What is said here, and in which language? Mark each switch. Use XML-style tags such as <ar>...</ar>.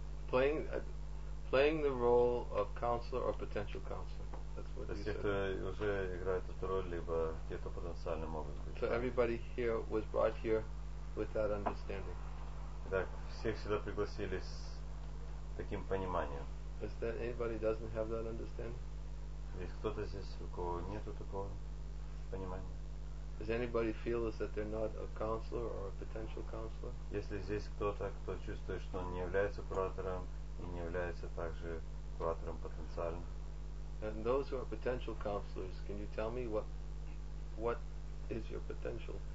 <en>Playing the role of counselor or potential counselor. That's what he said. So everybody here was brought here with that understanding.</en> <ru>Так, всех сюда пригласили с таким пониманием.</ru> <en>Is that anybody doesn't have that understanding?</en> <ru>Есть кто-то здесь, у кого нету такого понимания?</ru> <en>Does anybody feel as that they're not a counselor or a potential counselor?</en> <ru>Если здесь кто-то, кто чувствует, что он не является куратором и не является также куратором потенциальным.</ru> <en>And those who are potential counselors, can you tell me what is your potential?</en>